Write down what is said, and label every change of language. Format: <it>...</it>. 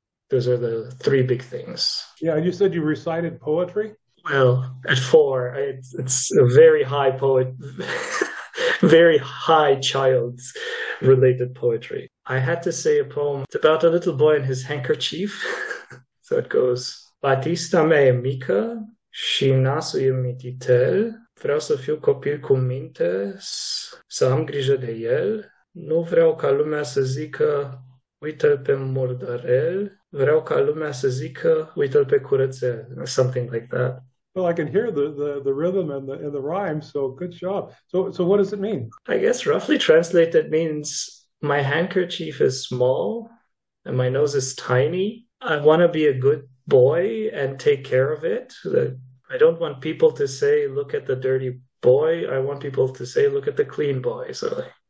<en>Those are the three big things. Yeah, you said you recited poetry? Well, at four, it's a very high poet, very high child's related poetry. I had to say a poem. It's about a little boy and his handkerchief. So it goes,</en> <ro>Batista mea mică și nasul e mititel, vreau să fiu copil cu minte, să am grijă de el, nu vreau ca lumea să zică, uită-l pe murdărel, vreau ca lumea să zică, uită-l pe curățel,</ro> <en>something like that. Well, I can hear the rhythm and the rhyme, so good job. So what does it mean? I guess roughly translated means my handkerchief is small and my nose is tiny. I want to be a good boy and take care of it. I don't want people to say, look at the dirty boy. I want people to say, look at the clean boy. So</en>